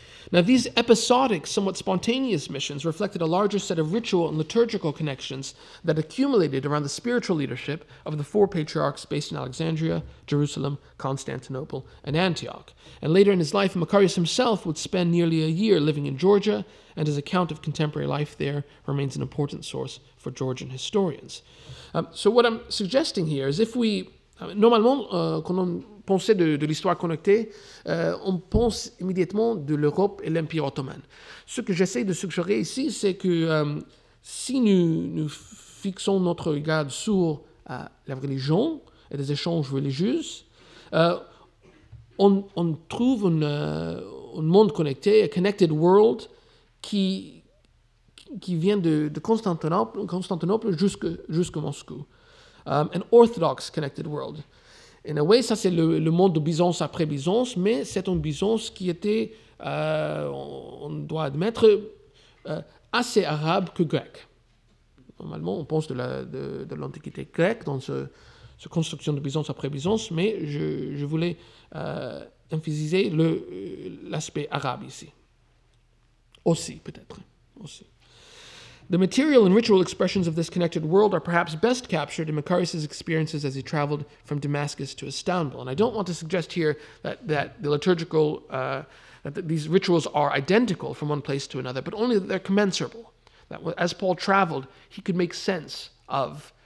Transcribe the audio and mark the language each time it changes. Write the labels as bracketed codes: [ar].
[en] Now, these episodic, somewhat spontaneous missions reflected a larger set of ritual and liturgical connections that accumulated around the spiritual leadership of the four patriarchs based in Alexandria, Jerusalem, Constantinople, and Antioch. And later in his life, Macarius himself would spend nearly a year living in Georgia, and his account of contemporary life there remains an important source for Georgian historians. So what I'm suggesting here is if we... [fr] Normalement, quand on pensait de l'histoire connectée, on pense immédiatement de l'Europe et l'Empire ottoman. Ce que j'essaie de suggérer ici, c'est que si nous fixons notre regard sur la religion et les échanges religieux, on trouve un monde connecté, a connected world, qui vient de Constantinople jusqu'à Moscou. An orthodox connected world. In a way, ça c'est le monde de Byzance après Byzance, mais c'est une Byzance qui était, on doit admettre, assez arabe que grec. Normalement, on pense de l'antiquité grecque dans cette construction de Byzance après Byzance, mais je voulais emphasiser l'aspect arabe ici. Aussi, peut-être. Aussi. [en] The material and ritual expressions of this connected world are perhaps best captured in Macarius' experiences as he traveled from Damascus to Istanbul. And I don't want to suggest here that the liturgical, these rituals are identical from one place to another, but only that they're commensurable. That as Paul traveled, he could make sense of